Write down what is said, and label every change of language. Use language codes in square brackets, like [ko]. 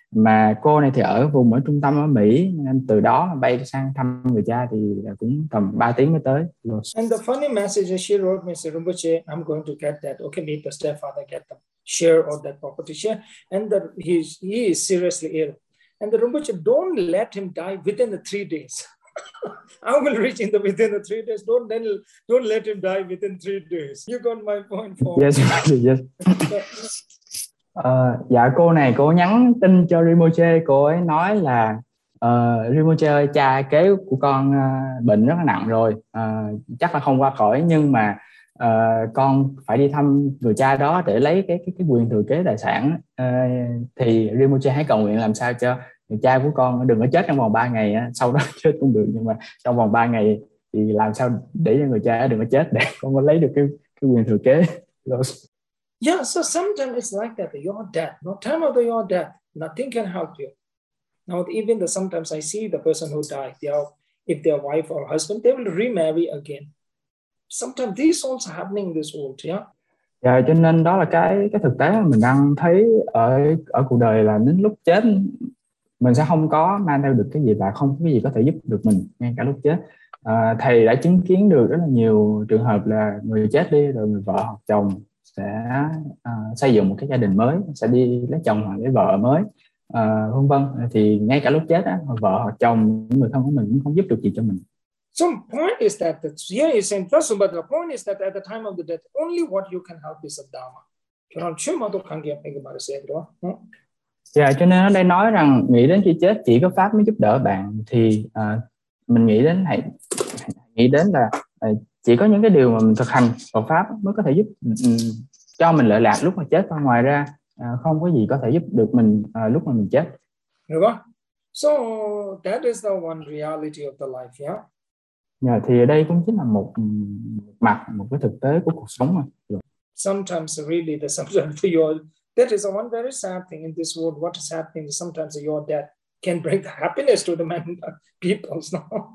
[vi] Mà cô này thì ở vùng ở trung tâm ở Mỹ, nên từ đó bay sang thăm người cha thì cũng tầm 3 tiếng mới tới. [en] And the funny message that she wrote me, said, "Rinpoche, I'm going to get that. Okay, meet the stepfather, get the share of that property share. And that he is seriously ill. And the Rinpoche, don't let him die within the 3 days. I will reach in the within the 3 days. Don't let him die within 3 days. You got my point for Yes. [vi] Dạ, cô này cô nhắn tin cho Rimoche, cô ấy nói là Rimoche ơi, cha kế của con bệnh rất là nặng rồi, chắc là không qua khỏi, nhưng mà con phải đi thăm người cha đó để lấy cái quyền thừa kế tài sản, thì Rinpoche hãy cầu nguyện làm sao cho người cha của con đừng có chết trong vòng 3 ngày, sau đó chết cũng được, nhưng mà trong vòng 3 ngày thì làm sao để cho người cha đừng có chết để con có lấy được cái quyền thừa kế. [en] Yeah, so sometimes it's like that. Your death, no time after your death, nothing can help you. Now, even the sometimes I see the person who died, if their wife or husband, they will remarry again. Sometimes this also happening in this world, yeah. [vi] Yeah, cho nên đó là cái thực tế mình đang thấy ở ở cuộc đời là đến lúc chết mình sẽ không có mang theo được cái gì và không có cái gì có thể giúp được mình ngay cả lúc chết. Thầy đã chứng kiến được rất là nhiều trường hợp là người chết đi rồi người vợ hoặc chồng sẽ xây dựng một cái gia đình mới, sẽ đi lấy chồng hoặc lấy vợ mới, vân vân. Thì ngay cả lúc chết á, vợ hoặc chồng, những người thân của mình cũng không giúp được gì cho mình. [en] So the point is that here you say person, but the point is that at the time of the death, only what you can help is a dharma. [vi] Cho nên chưa mà tôi khẳng định cái bài sẽ đó. Dạ, cho nên ở đây nói rằng nghĩ đến khi chết chỉ có pháp mới giúp đỡ bạn, thì mình nghĩ đến hãy nghĩ đến là chỉ có những cái điều mà mình thực hành Phật pháp mới có thể giúp cho mình lợi lạc lúc mà chết, và ngoài ra không có gì có thể giúp được mình lúc mà mình chết. Được không? [en] So that is the one reality of the life, yeah. [vi] Yeah, thì đây cũng chính là một mặt, một cái thực tế của cuộc sống mà. [en] Sometimes really the sometimes your that is the one very sad thing in this world. What is happening is sometimes your death can bring the happiness to the people's. No?